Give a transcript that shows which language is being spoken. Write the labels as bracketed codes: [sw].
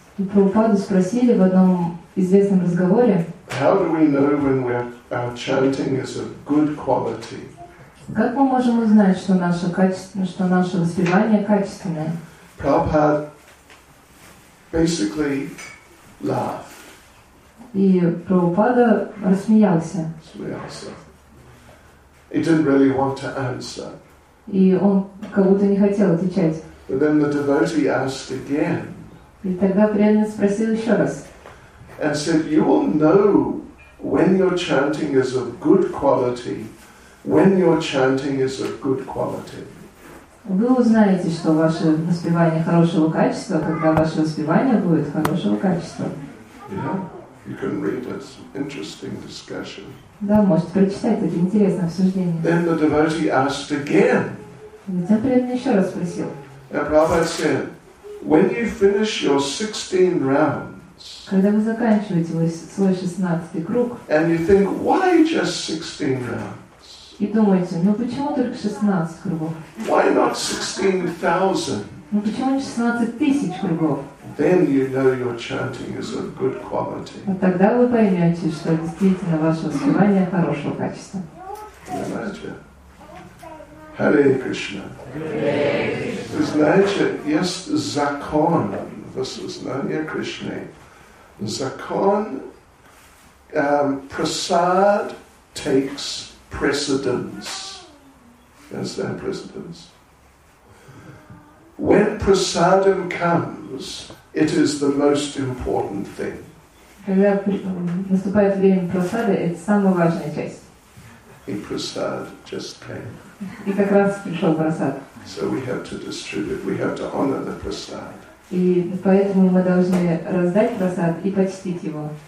[ru] Прабхупаду спросили в одном известном разговоре. [en] How do we know when our chanting is of good quality? [ru] Как мы можем узнать, что наше качество, что наше воспевание качественное? [en] Prabhupada basically laughed. [ru] И Прабхупада рассмеялся. [en] He didn't really want to answer. [ru] И он как будто не хотел отвечать. [en] But then the devotee asked again. [ru] И тогда преданный спросил еще раз. [en] And said, "You will know when your chanting is of good quality, when your chanting is of good quality." [ru] Вы узнаете, что ваше воспевание хорошего качества, когда ваше воспевание будет хорошего качества. [en] Yeah. You can read it. Interesting discussion. [ru] Да, можете прочитать, это интересное обсуждение. [en] Then the devotee asked again. [ru] Затем преданный еще раз спросил. [en] And Prabhupada said, when you finish your 16 rounds, [ru] когда вы заканчиваете свой 16-й круг, [en] and you think, why just 16 rounds? [ru] И думаете, ну почему только 16 кругов? [en] Why not 16,000? [ru] Ну почему не 16 тысяч кругов? [en] then you know your chanting is of good quality. [ru] Вот тогда вы поймете, что действительно ваше воспевание хорошего качества. [en] Hare Krishna. Hare Krishna. [ru] Значит, есть закон. [en] This is Nanya Krishna. [ru] Закон. [en] Prasad takes precedence. Is that precedence? When prasadam comes, it is the most important thing. [ru] Когда наступает время прасада, это самая важная часть. И прасад [en] just came. [ru] И как раз пришел прасад. [en] So we have to distribute, we have to honor the prasad. [ru] И поэтому мы должны раздать прасад и почтить его.